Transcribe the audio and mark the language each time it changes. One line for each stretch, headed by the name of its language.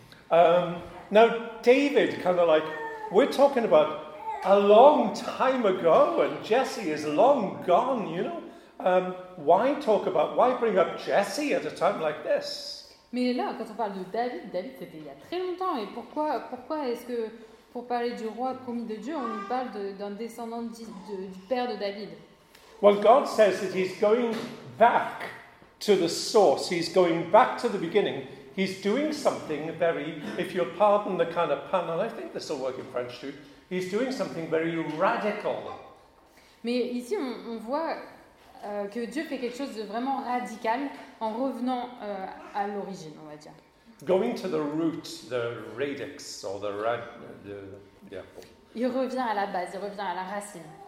English: Now, David, kind of like, we're talking about a long time ago, and Jesse is long gone, you know? Why bring up Jesse at a time like this?
French: Mais là, quand on parle de David, David, c'était il y a très longtemps, et pourquoi est-ce que, pour parler du roi promis de Dieu, on nous parle d'un descendant du père de David?
English: Well, God says that he's going back to the source. He's going back to the beginning. He's doing something very, if you'll pardon the kind of pun, and I think this will work in French too, he's doing something very radical.
French: Mais ici, on voit que Dieu fait quelque chose de vraiment radical en revenant à l'origine, on va dire.
English: Going to the root, the radix, or the rad... Yeah.
French: Il revient à la base, il revient à la racine.